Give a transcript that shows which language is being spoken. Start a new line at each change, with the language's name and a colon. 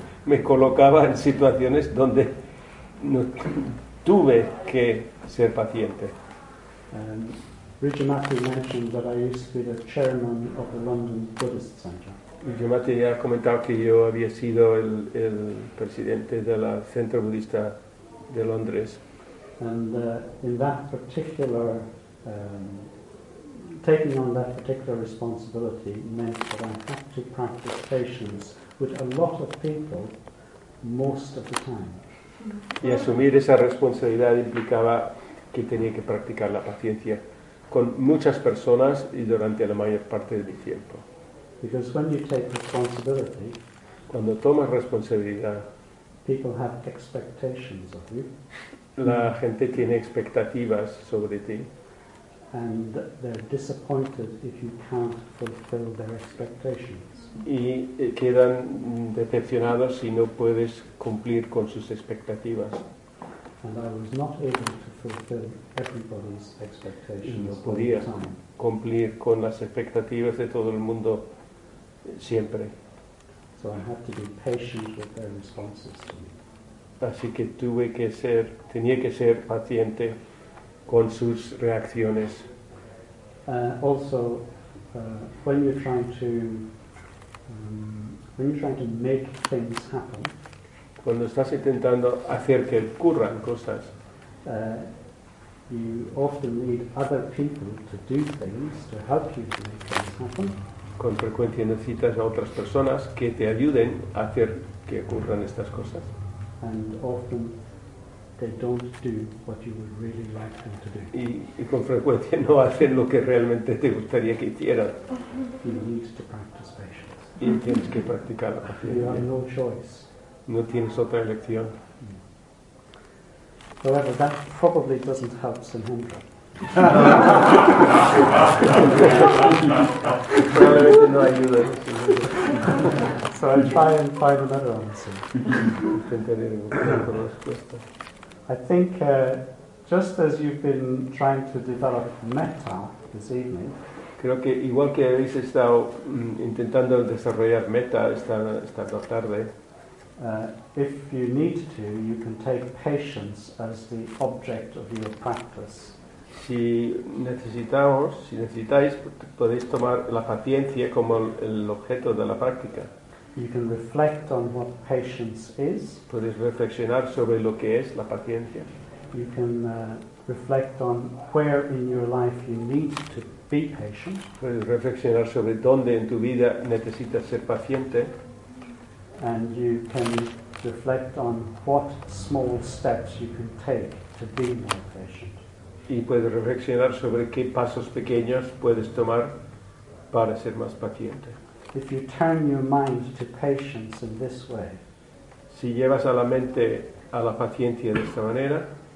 Spanish: Me colocaba en situaciones donde no tuve que ser paciente.
English: Rigamati mentioned that I used to be the chairman of the London Buddhist Center.
Spanish: Rigamati ya ha comentado que yo había sido el presidente del Centro Budista de Londres.
English: And in that particular, taking on that particular responsibility meant that I had to practice patience with a lot of people most of the time.
Spanish: Y asumir esa responsabilidad implicaba que tenía que practicar la paciencia con muchas personas y durante la mayor parte de mi tiempo.
English: Because when you take responsibility,
Spanish: cuando tomas responsabilidad,
English: people have expectations of you.
Spanish: La gente tiene expectativas sobre ti.
English: And they're disappointed if you can't fulfill their expectations.
Spanish: Y quedan decepcionados si no puedes cumplir con sus expectativas.
English: And I was not able to fulfill everybody's expectations.
Spanish: Y no podía cumplir con las expectativas de todo el mundo siempre.
English: So I had to be patient with their responses to me.
Spanish: Así que tenía que ser paciente con sus reacciones.
English: When you're trying to make things happen,
Spanish: cuando estás intentando hacer que ocurran cosas,
English: you often need other people to do things to help you to make things happen.
Spanish: Con frecuencia necesitas a otras personas que te ayuden a hacer que ocurran estas cosas.
English: And often they don't do what you would really like them to do.
Spanish: Y con frecuencia no hacen lo que realmente te gustaría que hicieran.
English: You need to practice patience.
Spanish: Y tienes que practicar la paciencia.
English: You have no choice.
Spanish: No tienes otra elección.
English: However, that probably doesn't help Sanhendra. Probably
Spanish: no ayuda.
English: So I'll try and find another answer. I think just as you've been trying to develop metta this evening,
Spanish: creo que igual que habéis estado intentando desarrollar metta esta tarde,
English: if you need to, you can take patience as the object of your practice.
Spanish: Si necesitáis, podéis tomar la paciencia como el objeto de la práctica.
English: You can reflect on what patience is.
Spanish: Podéis reflexionar sobre lo que es la paciencia.
English: You can reflect on where in your life you need to be patient.
Spanish: Puedes reflexionar sobre dónde en tu vida necesitas ser paciente.
English: And you can reflect on what small steps you can take to be more patient.
Spanish: Y puedes reflexionar sobre qué pasos pequeños puedes tomar para ser más paciente.
English: If you turn your mind to patience in this way,
Spanish: si llevas a la mente a la paciencia de esta manera,